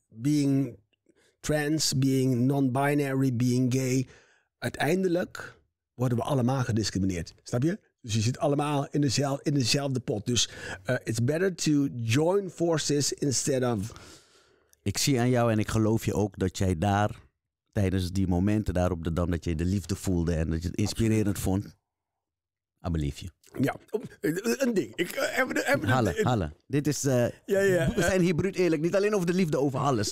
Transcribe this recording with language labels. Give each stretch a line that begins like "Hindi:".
English: Being trans, being non-binary, being gay.
Dutch: Uiteindelijk worden we allemaal gediscrimineerd. Snap je? Dus je zit allemaal in dezelfde pot.
English: Dus it's better to join forces instead of...
Dutch: Ik zie aan jou en ik geloof je ook dat jij daar tijdens die momenten daar op de Dam, dat je de liefde voelde en dat je het inspirerend vond.
English: I believe you.
Dutch: Ja, een ding. Halle. Dit is, we zijn hier bruut eerlijk. Niet alleen over de liefde, over alles.